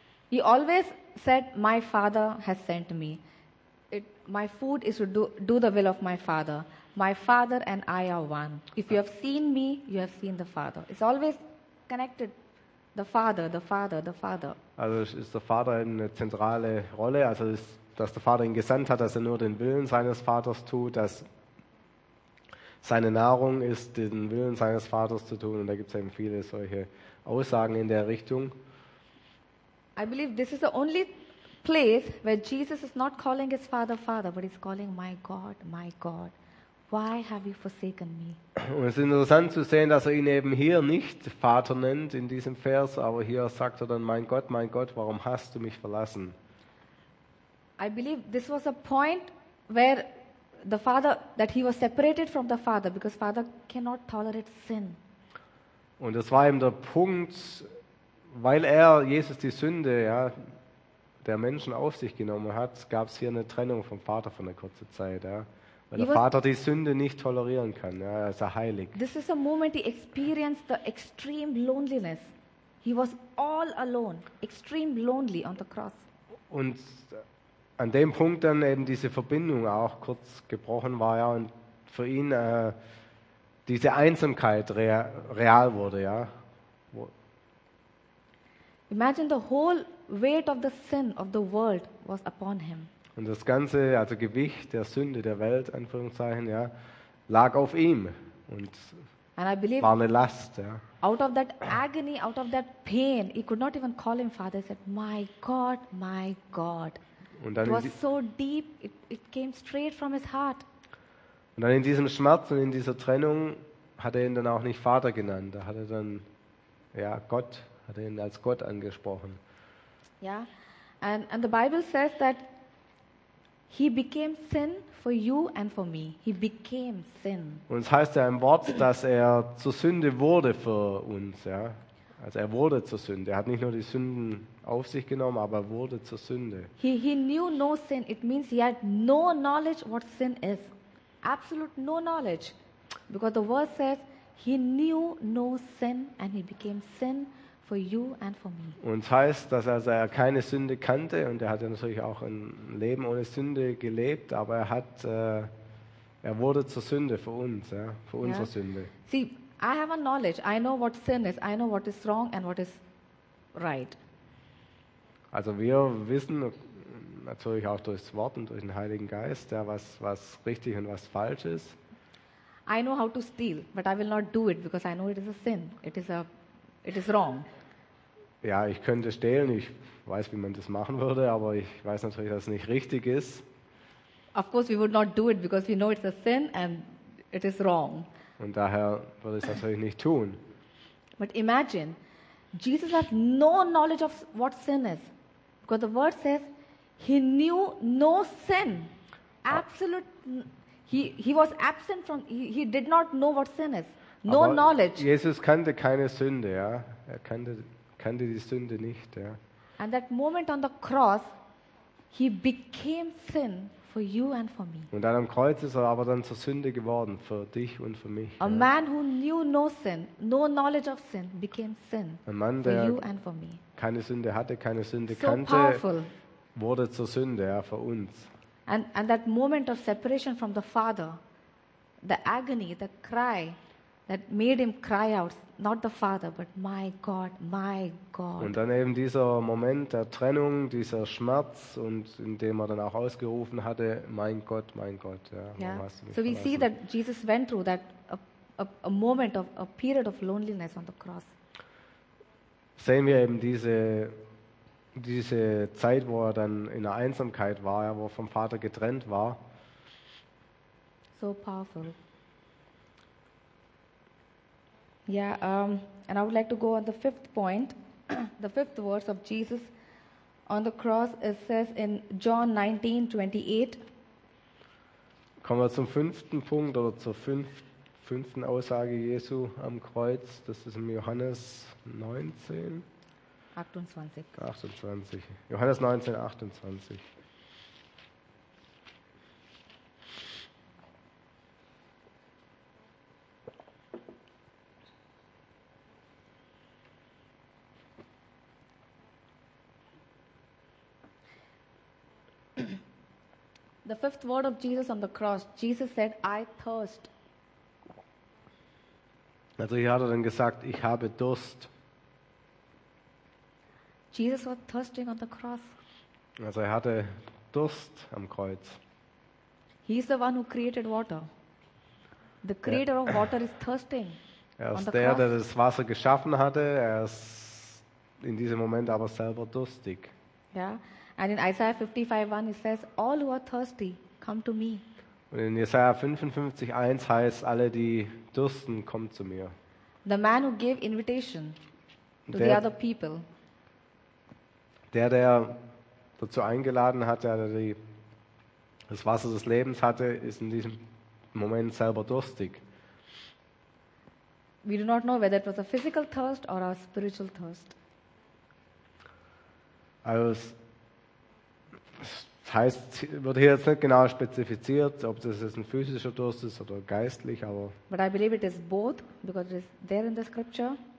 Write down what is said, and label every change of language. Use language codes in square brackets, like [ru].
[en] He always said, "My Father has sent me. My food is to do the will of my Father. My Father and I are one. If you have seen me, you have seen the Father." It's always connected. The Father, the Father, the Father. [de] Also ist der Vater eine zentrale Rolle. Also ist dass der Vater ihn gesandt hat, dass er nur den Willen seines Vaters tut, dass seine Nahrung ist, den Willen seines Vaters zu tun. Und da gibt es eben viele solche Aussagen in der Richtung. [en] I believe this is the only place where Jesus is not calling his Father, Father, but he's calling my God, why have you forsaken me? [de] Und es ist interessant zu sehen, dass er ihn eben hier nicht Vater nennt in diesem Vers, aber hier sagt er dann, mein Gott, warum hast du mich verlassen? [en] I believe this was a point where the father that he was separated from the father because father cannot tolerate sin. [de] Und das war eben der Punkt, weil Jesus die Sünde der Menschen auf sich genommen hat, gab es hier eine Trennung vom Vater von der kurzen Zeit, weil der Vater die Sünde nicht tolerieren kann, er ist heilig. [en] This is a moment he experienced the extreme loneliness. He was all alone, extreme lonely on the cross. [de] Und an dem Punkt dann eben diese Verbindung auch kurz gebrochen war, und für ihn diese Einsamkeit real wurde, [en] Imagine the whole weight of the sin of the world was upon him. [de] Und das ganze, also Gewicht der Sünde der Welt, Anführungszeichen, lag auf ihm und war eine Last, [en] Out of that agony, out of that pain, he could not even call him father. He said, my God. [de] Und dann [en] it was so deep, it came straight from his heart. [de] Und dann in diesem Schmerz und in dieser Trennung hat er ihn dann auch nicht Vater genannt. Da hat er dann, Gott, hat er ihn als Gott angesprochen. [en] And the Bible says that he became sin for you and for me. He became sin. [de] Und es heißt ja im Wort, dass er zur Sünde wurde für uns, Also er wurde zur Sünde. Er hat nicht nur die Sünden auf sich genommen, aber er wurde zur Sünde. [en] He knew no sin. It means he had no knowledge what sin is. Absolute no knowledge. Because the verse says, he knew no sin and he became sin for you and for me. [de] Und es heißt, dass er keine Sünde kannte und er hat ja natürlich auch ein Leben ohne Sünde gelebt, aber er wurde zur Sünde für uns, für unsere Sünde. [en] See, I have a knowledge. I know what sin is. I know what is wrong and what is right. [de] Also wir wissen natürlich auch durch das Wort und durch den Heiligen Geist, was richtig und was falsch ist. [en] I know how to steal, but I will not do it because I know it is a sin. It is wrong. [de] Ja, ich könnte stehlen. Ich weiß, wie man das machen würde, aber ich weiß natürlich, dass es nicht richtig ist. [en] Of course, we would not do it because we know it's a sin and it is wrong. [de] Und daher würde ich das natürlich nicht tun. [en] But imagine, Jesus has no knowledge of what sin is. Because the word says, he knew no sin. Absolute, he was absent from, he did not know what sin is. No [de] Aber [en] knowledge. [de] Jesus kannte keine Sünde, Er kannte die Sünde nicht, [en] And that moment on the cross, he became sin. For you and for me. [de] Und dann am Kreuz ist er aber dann zur Sünde geworden, für dich und für mich. [en] A man who knew no sin, no knowledge of sin, became sin. [de] Ein Mann, der [en] for you and for me. [de] Keine Sünde hatte, keine Sünde so kannte, powerful. Wurde zur Sünde, für uns. [en] And that moment of separation from the Father, the agony, the cry that made him cry out, not the Father, but my God, my God. [de] Und dann eben dieser Moment der Trennung, dieser Schmerz, und in dem er dann auch ausgerufen hatte, mein Gott, ja, warum hast du mich verlassen? [en] So we see that Jesus went through that a moment of a period of loneliness on the cross. [de] Sehen wir eben diese Zeit, wo er dann in der Einsamkeit war, wo er vom Vater getrennt war. [en] So powerful. Yeah, and I would like to go on the fifth point, the fifth verse of Jesus on the cross. It says in John 19:28. [de] Kommen wir zum fünften Punkt oder zur fünften Aussage Jesu am Kreuz. Das ist in Johannes 19. 28. Johannes 19, 28. [en] The fifth word of Jesus on the cross, Jesus said, I thirst. [de] Also hier hat er dann gesagt, ich habe Durst. [en] Jesus was thirsting on the cross. [de] Also er hatte Durst am Kreuz. [en] He is the one who created water. The creator of water is thirsting. [de] Er ist der, der das Wasser geschaffen hatte. Er ist in diesem Moment aber selber durstig. [en] Yeah. And in Isaiah 55:1 it says, all who are thirsty, come to me. [de] Und in Jesaja 55:1 heißt, alle die dürsten, kommt zu mir. [en] The man who gave invitation to the other people. [de] Der dazu eingeladen hat, der das Wasser des Lebens hatte, ist in diesem Moment selber durstig. [en] We do not know whether it was a physical thirst or a spiritual thirst. [de] Also das heißt, wird hier jetzt nicht genau spezifiziert, ob das jetzt ein physischer Durst ist oder geistlich, aber [en] but I believe it is both, because it is there in the scripture.